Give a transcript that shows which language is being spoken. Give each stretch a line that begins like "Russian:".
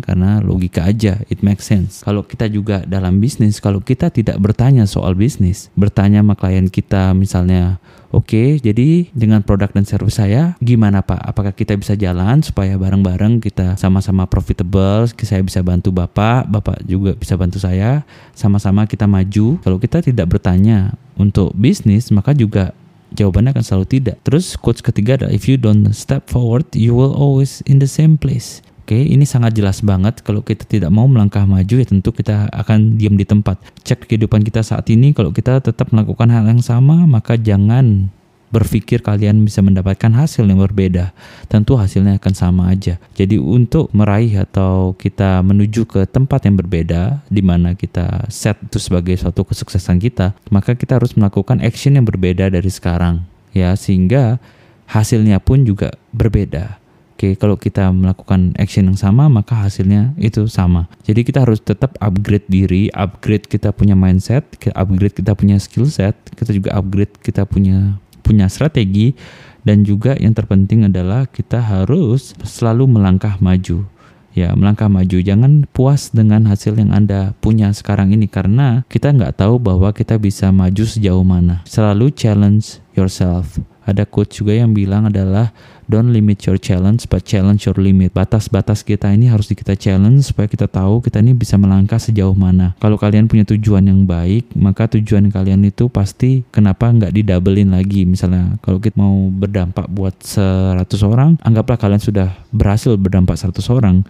Indonesian: Karena logika aja,
English: it makes sense.
Indonesian: Kalau kita juga dalam bisnis, kalau kita tidak bertanya soal bisnis, bertanya sama klien kita misalnya, oke, jadi dengan produk dan servis saya gimana Pak? Apakah kita bisa jalan supaya bareng-bareng kita sama-sama profitable, saya bisa bantu Bapak, Bapak juga bisa bantu saya, sama-sama kita maju. Kalau kita tidak bertanya untuk bisnis, maka juga jawabannya akan selalu tidak. Terus quotes ketiga adalah,
English: if you don't step forward, you will always in the same place.
Indonesian: Oke, ini sangat jelas banget. Kalau kita tidak mau melangkah maju, ya tentu kita akan diam di tempat. Cek kehidupan kita saat ini, kalau kita tetap melakukan hal yang sama, maka jangan berpikir kalian bisa mendapatkan hasil yang berbeda. Tentu hasilnya akan sama aja. Jadi untuk meraih atau kita menuju ke tempat yang berbeda, di mana kita set itu sebagai suatu kesuksesan kita, maka kita harus melakukan action yang berbeda dari sekarang. Ya, sehingga hasilnya pun juga berbeda. Oke, kalau kita melakukan action yang sama, maka hasilnya itu sama. Jadi kita harus tetap upgrade diri, upgrade kita punya mindset, upgrade kita punya skill set, kita juga upgrade kita punya strategi, dan juga yang terpenting adalah kita harus selalu melangkah maju. Ya, melangkah maju, jangan puas dengan hasil yang Anda punya sekarang ini, karena kita nggak tahu bahwa kita bisa maju sejauh mana. Selalu
English: challenge yourself.
Indonesian: Ada quote juga yang bilang adalah,
English: don't limit your challenge, but challenge your limit.
Indonesian: Batas-batas kita ini harus kita challenge supaya kita tahu kita ini bisa melangkah sejauh mana. Kalau kalian punya tujuan yang baik, maka tujuan kalian itu pasti kenapa nggak didoublein lagi. Misalnya kalau kita mau berdampak buat 100 orang, anggaplah kalian sudah berhasil berdampak 100 orang.